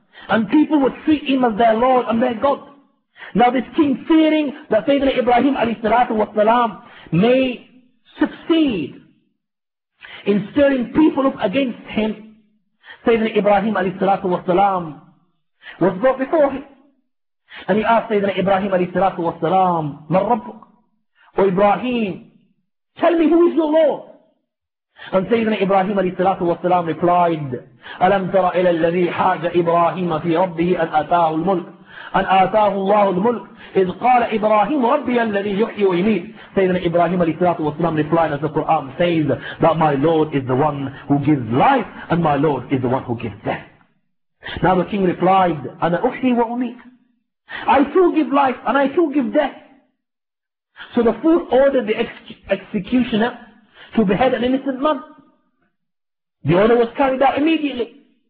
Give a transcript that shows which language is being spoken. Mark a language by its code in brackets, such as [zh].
[en] And people would treat him as their lord and their god. Now this king, fearing that Sayyidina Ibrahim alayhi salatu wasalam may succeed in stirring people up against him, Sayyidina Ibrahim alayhi salatu wasalam was brought before him. And he asked Sayyidina Ibrahim alayhi salatu wasalam, [ar] Man Rabbuk? [en] O Ibrahim, tell me, who is your Lord? And Sayyidina Ibrahim alayhi salatu wasalam replied, [ar] أَلَمْ تَرَ إِلَى الَّذِي حَاجَ إِبْرَاهِيمَ فِي رَبِّهِ أَنْ آتَاهُ الْمُلْكِ أَنْ آتَاهُ اللَّهُ الْمُلْكِ إِذْ قَالَ إِبْرَاهِيمُ رَبِّيَ الَّذِي يُحْيِي وَيُمِيتُ. [en] Sayyidina Ibrahim alayhi salatu wasalam replied, as the Quran says, that my Lord is the one who gives life and my Lord is the one who gives death. Now the king replied, [ar] أَنَا أُحْيِي وَأُمِيتُ. [en] I too give life and I too give death. So the fool ordered the executioner to behead an innocent man. The order was carried out immediately.